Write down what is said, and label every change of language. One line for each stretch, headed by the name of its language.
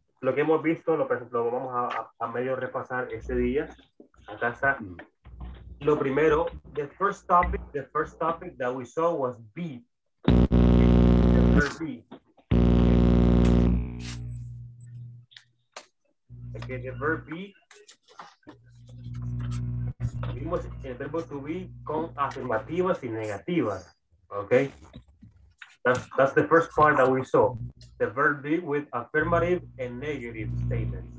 Spanish: Lo que hemos visto, lo vamos a medio repasar este día. Acá está. Lo primero,
English: the first topic that we saw was B. B. Okay, the verb B.
Spanish: Vimos el verbo to be con afirmativas y negativas.
English: Okay. That's the first part that we saw. The verb B with affirmative and negative statements.